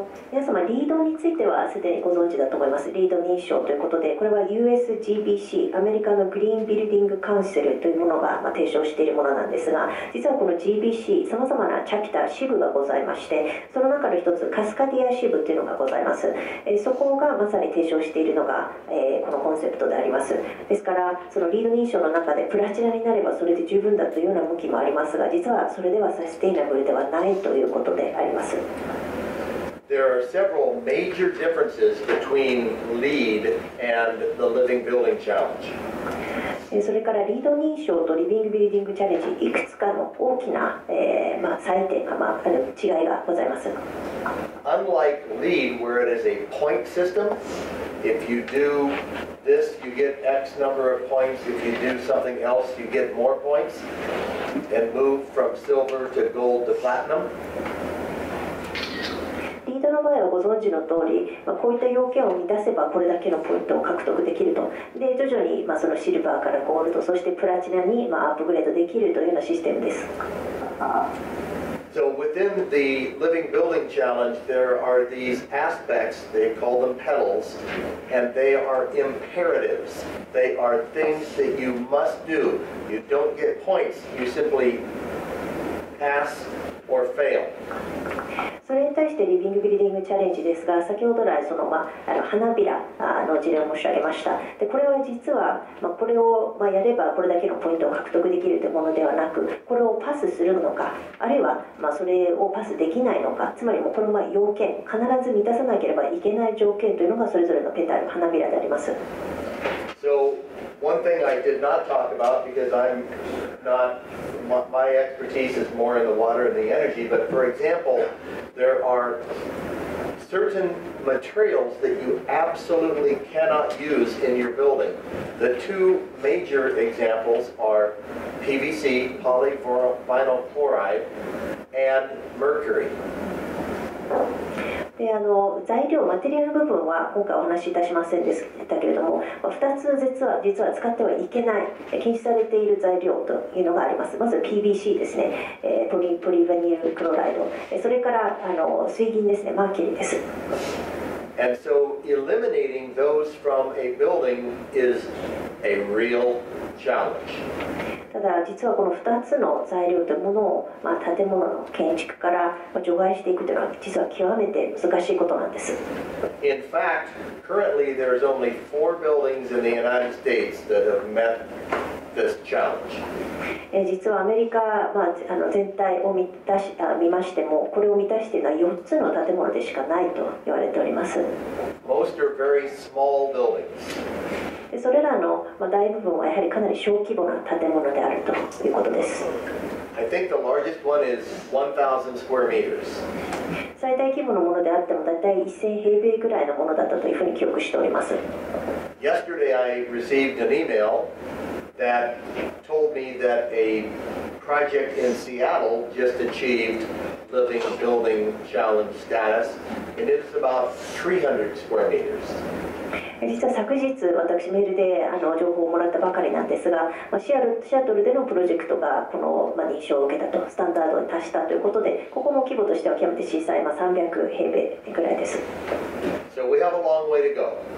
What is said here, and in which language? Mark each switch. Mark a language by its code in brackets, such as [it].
[ja] 皆様、リードについてはすでにご存知だと思います。リード認証ということで、これは USGBC、アメリカのグリーンビルディングカウンセルというものが提唱しているものなんですが、実はこの GBC、さまざまなチャプター、支部がございまして、その中の一つ、カスカディア支部というのがございます。そこがまさに提唱しているのが、このコンセプトであります。ですから、そのリード認証の中でプラチナになればそれで十分だというような向きもありますが、実はそれではサステイナブルではないということであります。 [en] There are several major differences between LEED and the Living Building Challenge. [ja] それからリード認証とリビングビルディングチャレンジ、いくつかの大きな、採点が、違いがございます。 [en] Unlike LEED, where it is a point system, if you do this, you get X number of points. If you do something else, you get more points and move from silver to gold to platinum. [ja] その場合はご存知の通り、こういった要件を満たせばこれだけのポイントを獲得できると、で徐々にそのシルバーからゴールド、そしてプラチナにアップグレードできるというようなシステムです。 [en] So within the Living Building Challenge, there are these aspects, they call them pedals, and they are imperatives. They are things that you must do. You don't get points, you simply pass or fail. [ja] それに対してリビングビルディングチャレンジですが、先ほど来その、花びらの事例を申し上げました。でこれは実は、これを、やればこれだけのポイントを獲得できるというものではなく、これをパスするのか、あるいは、それをパスできないのか、つまりこの要件、必ず満たさなければいけない条件というのがそれぞれのペタル、花びらであります。 [en] So, one thing I did not talk about because I'm not, my expertise is more in the water and the energy, but for example, there are certain materials that you absolutely cannot use in your building. The two major examples are PVC, polyvinyl chloride, and mercury. [ja] 材料、マテリアル部分は今回お話しいたしませんでしたけれども、2つ実は使ってはいけない、禁止されている材料というのがあります。まず PVC ですね、ポリヴァニルクロライド、それから水銀ですね、マーキュリーです。 [en] And so eliminating those from a building is a real challenge. [ja] ただ実はこの2つの材料というものを、建物の建築から除外していくというのは実は極めて難しいことなんです。 [en] In fact, currently there is only four buildings in the United States that have met this challenge. [ja] 実はアメリカ、全体を見ましても、これを満たしているのは4つの建物でしかないと言われております。 [en] Most are very small buildings. [ja] でそれらの大部分はやはりかなり小規模な建物であるということです。 [en] I think the largest one is 1,000 square meters. [ja] 最大規模のものであっても大体1000平米ぐらいのものだったというふうに記憶しております。 [en] Yesterday I received an email that told me that a project in Seattle just achieved living building challenge status, and it's about 300 square meters. [ja] 実は昨日私メールで情報をもらったばかりなんですが、シアトルでのプロジェクトがこの認証を受けたとスタンダードに達したということで、ここも規模としては極めて小さい、300平米くらいです。 [en] So we have a long way to go.